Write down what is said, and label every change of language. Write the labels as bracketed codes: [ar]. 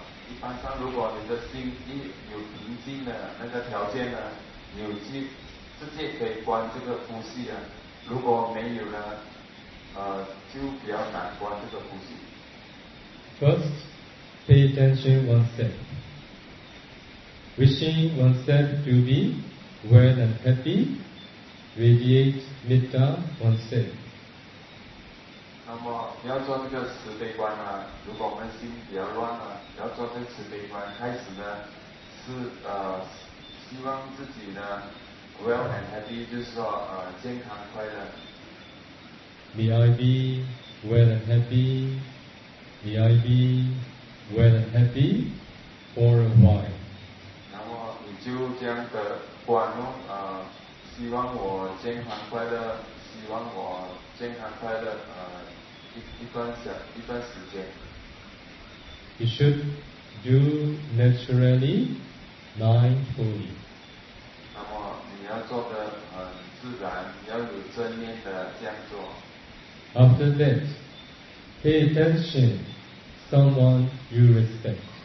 [zh] 一般上如果你的心一有平静的那个条件呢，你有去直接可以观这个呼吸啊。如果没有呢，就比较难观这个呼吸。 [en] First, pay attention one step. Wishing one step to be well and happy. Radiate metta oneself. [zh] 那么要做这个慈悲观呢？如果我们心比较乱呢，要做这个慈悲观，开始呢是希望自己呢 [en] well and happy， [zh] 就是说健康快乐。 [en] May I be well and happy? May I be well and happy for a while? [zh] 然后你就这样的观哦，希望我健康快乐，希望我健康快乐，一段时间。 [en] You should do naturally, mindfully. [zh] 那么你要做的很自然，要有正念的这样做。 [en] After that, pay attention to someone you respect.